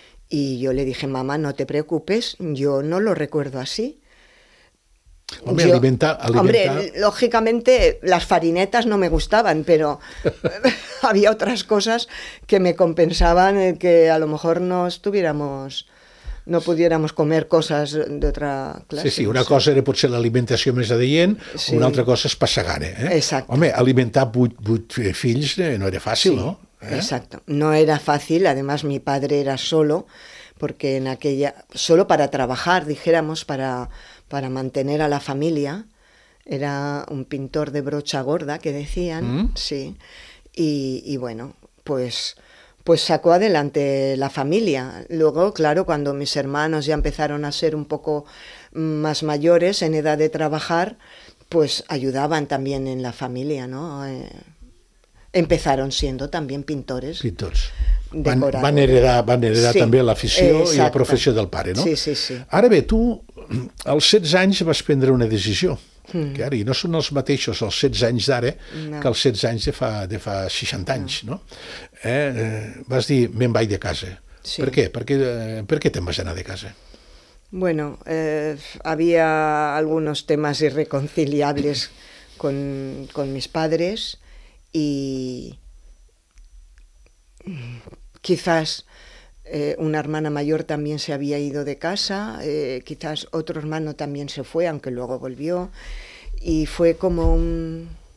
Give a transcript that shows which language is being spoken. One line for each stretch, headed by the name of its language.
Spanish: Y yo le dije, mamá, no te preocupes, yo no lo recuerdo así. Hombre, yo, alimenta. Hombre, lógicamente las farinetas no me gustaban, pero había otras cosas que me compensaban el que a lo mejor no estuviéramos... no pudiéramos comer cosas de otra clase.
Catalan: Sí, sí, una cosa era potser l'alimentació més adient, una altra cosa és passar gana.
Spanish: Exacto.
Catalan: Home, alimentar 8 fills no era fàcil, sí, no?
Spanish: Exacto, no era fácil. Además, mi padre era solo, porque en aquella... solo para trabajar, dijéramos, para mantener a la familia. Era un pintor de brocha gorda, que decían, sí. Y bueno, pues sacó adelante la familia. Luego, claro, cuando mis hermanos ya empezaron a ser un poco más mayores, en edad de trabajar, pues ayudaban también en la familia, ¿no? Empezaron siendo también pintores. Pintores.
Catalan: Van heredar també l'afició i la professió del pare, no? Sí, sí, sí. Ara bé, tu als 16 anys vas prendre una decisió. Que ara, i no són els mateixos els 16 anys d'ara, no, que els 16 anys de fa 60 anys, no? Vas dir, me'n vaig de casa. Sí. ¿Per què? Per què te'n vas anar de casa?
Spanish: Bueno, había algunos temas irreconciliables con mis padres y quizás una hermana mayor también se había ido de casa, quizás otro hermano también se fue, aunque luego volvió, y fue como un...